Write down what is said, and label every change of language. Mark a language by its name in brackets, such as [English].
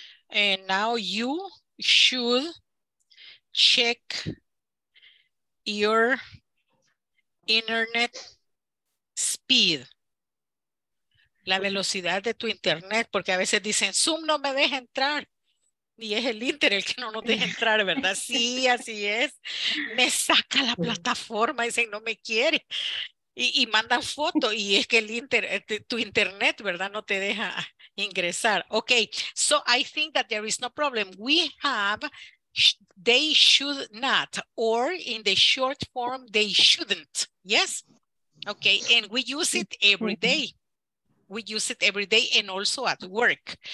[English] And now you should check your internet speed. [Spanish] La velocidad de tu internet, porque a veces dicen, Zoom no me deja entrar. Y es el Inter el que no nos deja entrar, ¿verdad? Sí, así es. Me saca la plataforma, dicen, no me quiere. Y mandan foto, y es que el Inter, tu internet, ¿verdad? No te deja ingresar. [English] Okay, so I think that there is no problem. We have, they should not, or in the short form, they shouldn't. Yes? Okay, and we use it every day. We use it every day and also at work.